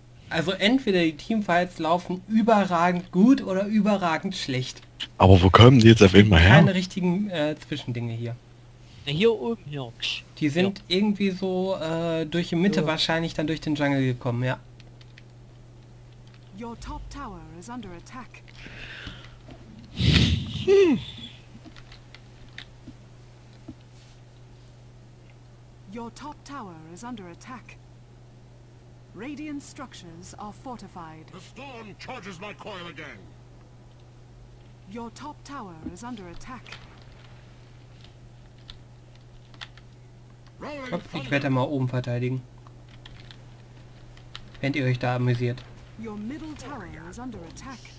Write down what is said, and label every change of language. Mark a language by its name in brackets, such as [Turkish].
[German] Also entweder die Teamfights laufen überragend gut oder überragend schlecht. Aber wo kommen die jetzt auf einmal her? Keine richtigen Zwischendinge hier. Na hier oben, hier. Die sind ja irgendwie so durch die Mitte, ja, wahrscheinlich dann durch den Jungle gekommen, ja. [English] Your top tower is under attack. Your top tower is under attack. Radiant structures are fortified. The storm charges my coil again. Your top tower is under attack. [German] Ich werde mal oben verteidigen. Wenn ihr euch da amüsiert. [English] Your middle tower is under attack.